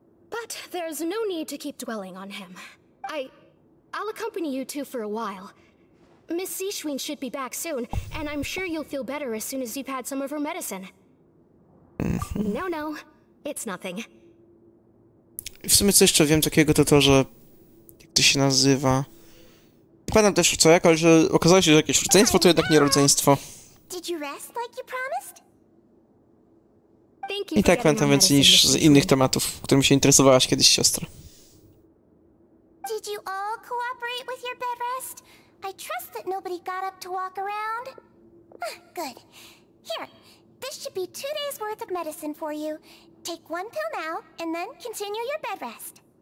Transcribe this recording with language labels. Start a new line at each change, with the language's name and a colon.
English: But there's no need to keep dwelling on him. I'll accompany you two for a while. Miss Zishwin should be back soon, and I'm sure you'll feel better as soon as you've had some of her medicine. No, no, it's nothing.
Polish: W sumie co jeszcze wiem takiego, to to, że... Jak to się nazywa? Nie pamiętam też co, jak, ale że okazało się, że jakieś rodzeństwo to jednak nie rodzeństwo.
English: Did you rest like you promised? Thank you.
Polish: I tak pamiętam więcej niż z innych tematów, którymi się interesowałaś kiedyś, siostra.
English: Did you all cooperate with your bed rest? I trust that nobody got up to walk around. Good. Here, this should be 2 days worth of medicine for you. Take one pill now, and then continue your bed rest.